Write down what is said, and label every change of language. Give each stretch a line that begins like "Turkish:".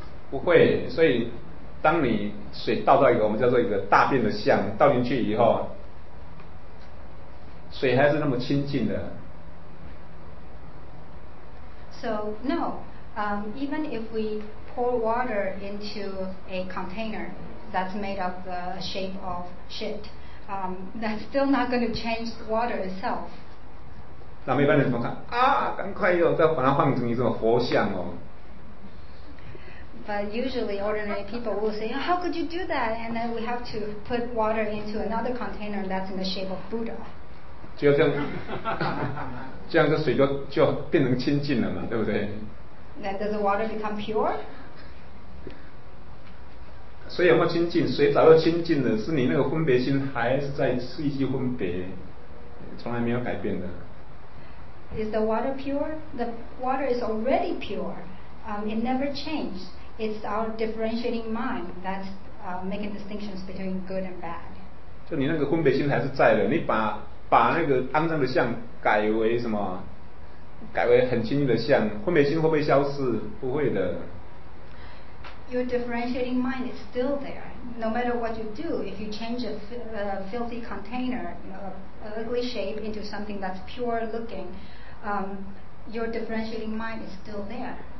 Chinese: 不会，所以当你水倒到一个我们叫做一个大便的像倒进去以后，水还是那么清净的。
English: So no, even if we pour water into a container that's made of the shape of shit, that's still not going to change the water itself.
Chinese: 那一般人怎么看啊？赶快哟，再把它换成一种佛像哦。
English: But usually ordinary people will say, how could you do that? And then we have to put water into another container that's in the shape of Buddha.
Chinese: 就这样，这样这水就变成清净了嘛，对不对？
English: Then does the water become pure?
Chinese: 水有没有清净？水早就清净了，是你那个分别心还是在随机分别，从来没有改变的。
English: Is the water pure? The water is already pure. It never changed. It's our differentiating mind that's making distinctions between good and bad.
Chinese: 就你那个分别心还是在的，你把那个肮脏的相改为什么？改为很清净的相，分别心会不会消失？不会的。
English: Your differentiating mind is still there. No matter what you do, if you change a filthy container, an ugly shape into something that's pure looking, your differentiating mind is still there.